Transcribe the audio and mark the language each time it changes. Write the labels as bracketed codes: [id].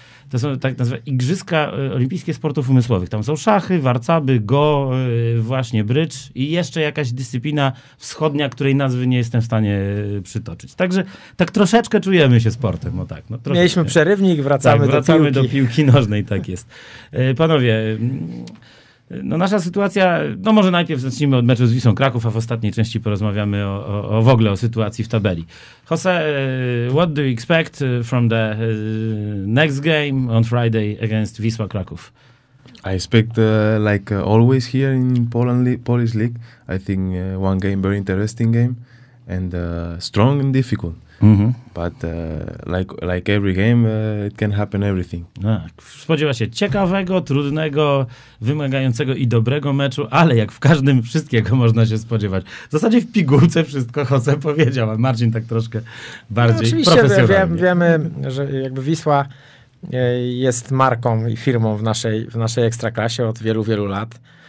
[pl] to są tak nazywane igrzyska olimpijskie sportów umysłowych. Tam są szachy, warcaby, go, właśnie brycz i jeszcze jakaś dyscyplina wschodnia, której nazwy nie jestem w stanie przytoczyć. Także tak troszeczkę czujemy się sportem. No tak, no, troszeczkę. Mieliśmy przerywnik, wracamy, tak, wracamy do piłki. Nożnej, tak jest. Panowie, no nasza sytuacja, no może najpierw zacznijmy od meczu z Wisłą Kraków, a w ostatniej części porozmawiamy o w ogóle o sytuacji w tabeli. [en] Jose, what do you expect from the next game on Friday against Wisła Kraków? I expect, like always here in Poland, Polish League, I think one game, very interesting game, and strong and difficult. Mm-hmm. But like every game, it can happen everything. [pl] Tak. Spodziewa się ciekawego, trudnego, wymagającego i dobrego meczu, ale jak w każdym, wszystkiego można się spodziewać. W zasadzie w pigułce wszystko, Jose powiedział, a Marcin tak troszkę bardziej no, oczywiście profesjonalnie. Wiemy, że jakby Wisła jest marką i firmą w naszej ekstraklasie od wielu, wielu lat.